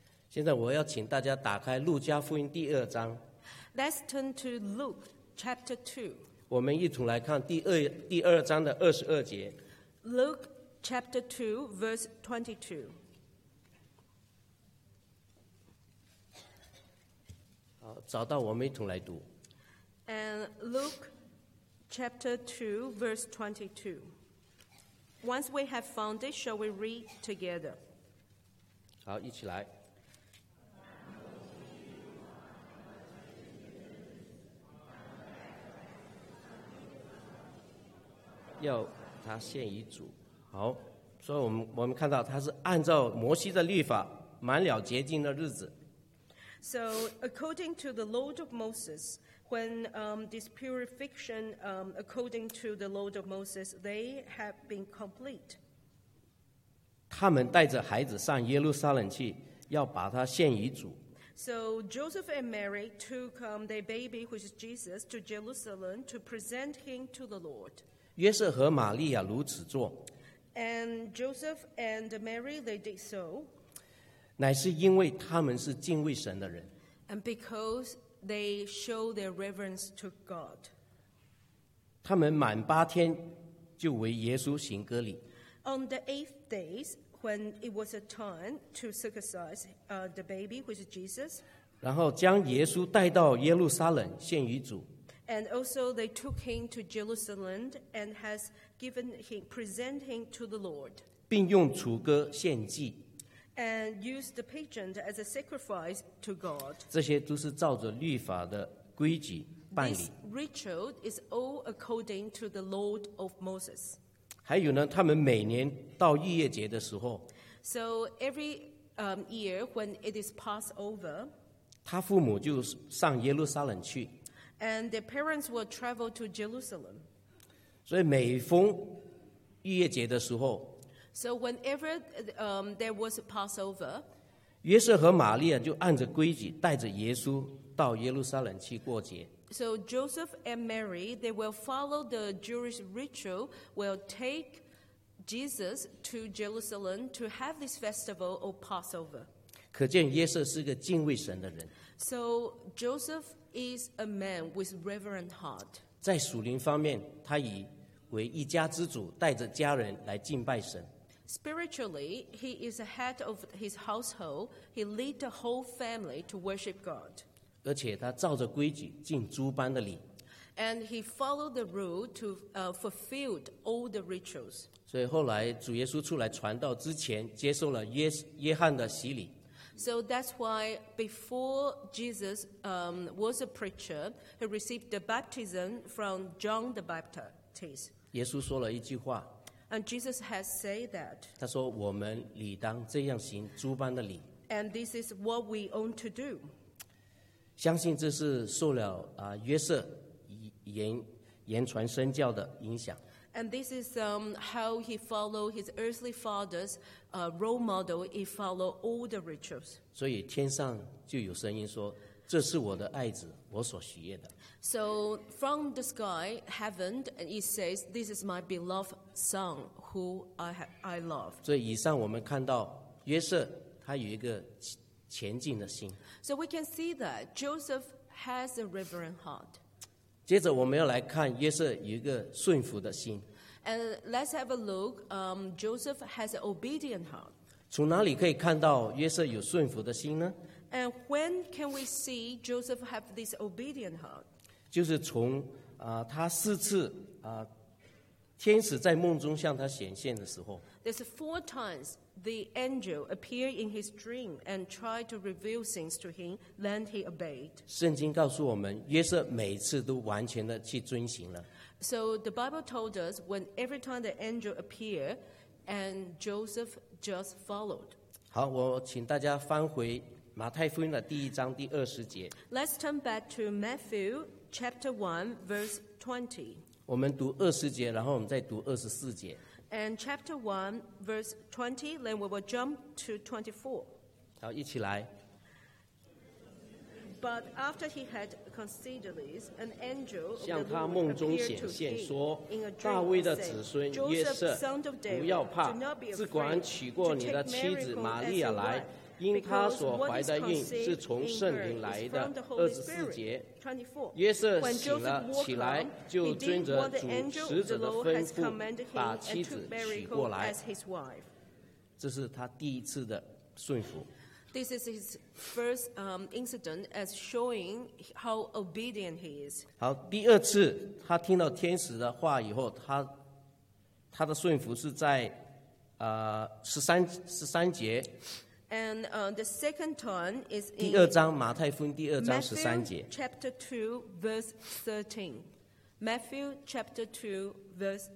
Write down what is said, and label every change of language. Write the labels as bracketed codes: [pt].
[zh] 现在我要请大家打开路加福音第二章。 [en] Let's turn to Luke chapter 2. [zh] 我们一同来看第二章的二十二节。 [en] Luke chapter 2 verse 22. [zh] 好，找到我们一同来读。 [en] And Luke chapter 2 verse 22. Once we have found it, shall we read together? [zh] 好，一起来。要他献遗嘱，好，所以我们看到他是按照摩西的律法满了洁净的日子。 [en] So according to the law of Moses, when this purification according to the law of Moses, they have been complete. [zh] 他们带着孩子上耶路撒冷去，要把他献遗嘱。 [en] So Joseph and Mary took their baby, which is Jesus, to Jerusalem to present him to the Lord. [zh] 约瑟和玛利亚如此做 [en] ，And Joseph and Mary they did so， [zh] 乃是因为他们是敬畏神的人 [en] ，And because they show their reverence to God， [zh] 他们满八天就为耶稣行割礼 [en] ，On the eighth days when it was a time to circumcise the baby which is Jesus， [zh] 然后将耶稣带到耶路撒冷献于主。 [en] And also they took him to Jerusalem and has given him, presented him to the Lord. [zh] 并用雏鸽献祭。 [en] And used the pigeon as a sacrifice to God. [zh] 这些都是照着律法的规矩办理。 [en] This ritual is all according to the law of Moses. [zh] 还有呢，他们每年到逾越节的时候。 [en] So every year when it is Passover, [zh] 他父母就上耶路撒冷去。 [en] And their parents will travel to Jerusalem. [zh] 所以每逢逾越节的时候 [en] So whenever there was a Passover, [zh] 约瑟和玛利亚就按着规矩带着耶稣到耶路撒冷去过节。 [en] So Joseph and Mary, they will follow the Jewish ritual, will take Jesus to Jerusalem to have this festival of Passover. [zh] 可见约瑟是个敬畏神的人。 [en] So Joseph is a man with reverent heart. [zh] 在属灵方面，他以为一家之主，带着家人来敬拜神。 [en] Spiritually, he is a head of his household. He lead the whole family to worship God. [zh] 而且他照着规矩敬猪般的礼。 [en] And he followed the rule to fulfilled all the rituals. [zh] 所以后来主耶稣出来传道之前，接受了约翰的洗礼。 [en] So that's why before Jesus was a preacher, he received the baptism from John the Baptist. [zh] 耶稣说了一句话。 [en] And Jesus has said that. [zh] 他说我们理当这样行猪般的礼。 [en] And this is what we ought to do. [zh] 相信这是受了约瑟言传身教的影响。 [en] And this is how he followed his earthly father's role model. He followed all the rituals. [zh] 所以天上就有声音说，这是我的爱子，我所喜悦的。 [en] So from the sky, heaven, he says, this is my beloved son who I love. [zh] 所以以上我们看到约瑟他有一个前进的心。 [en] So we can see that Joseph has a reverent heart. [zh] 接着我们要来看约瑟有一个顺服的心。 [en] And let's have a look. Joseph has an obedient heart. [zh] 从哪里可以看到约瑟有顺服的心呢 [en] ？And when can we see Joseph have this obedient heart? [zh] 就是从他四次天使在梦中向他显现的时候。 [en] There's four times the angel appeared in his dream and tried to reveal things to him, then he obeyed. [zh] 圣经告诉我们，约瑟每次都完全的去遵行了。 [en] So the Bible told us when every time the angel appeared, and Joseph just followed. [zh] 好，我请大家翻回马太福音的第一章第二十节。 [en] Let's turn back to Matthew chapter 1 verse 20. [zh] 我们读二十节，然后我们再读二十四节。 [en] And chapter 1, verse 20, then we will jump to 24. [zh] 好，一起来。 [en] But after he had conceded this, an angel of the Lord appeared to him in a dream and said, Joseph, son of David, do not be afraid. [zh] 不要怕，只管娶过你的妻子玛利亚来，因他所怀的孕是从圣灵来的。二十四节，约瑟醒了起来，就遵着主使者的吩咐，把妻子娶过来。这是他第一次的顺服。 [en] This is his first incident as showing how obedient he is. [zh] 好，第二次他听到天使的话以后，他的顺服是在十三节。 [en] And the second time is in [zh] 第二章马太福音第二章十三节。 [en] Matthew chapter 2:13. Matthew chapter 2:13.